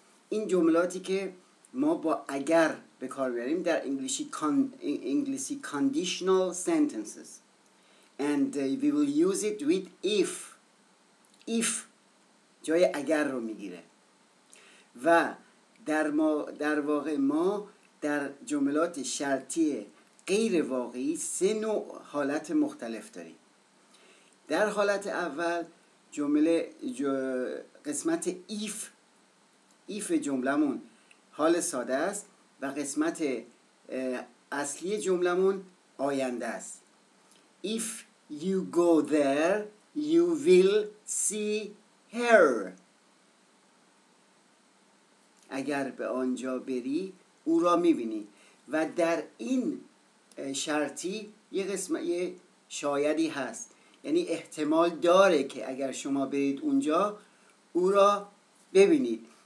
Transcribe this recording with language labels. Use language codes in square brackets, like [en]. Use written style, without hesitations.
[fa] این جملاتی که ما با اگر به کار بیاریم در انگلیسی [en] conditional sentences and we will use it with if [fa] جای اگر رو میگیره و در واقع ما در جملات شرطی غیر واقعی سه نوع حالت مختلف داریم. در حالت اول جمله قسمت ایف جملمون حال ساده است و قسمت اصلی جملمون آینده است. [en] If you go there, you will see her. [fa] اگر به آنجا بری او را میبینی. و در این شرطی یه قسمت یه شایدی هست، یعنی احتمال داره که اگر شما برید اونجا او را ببینید.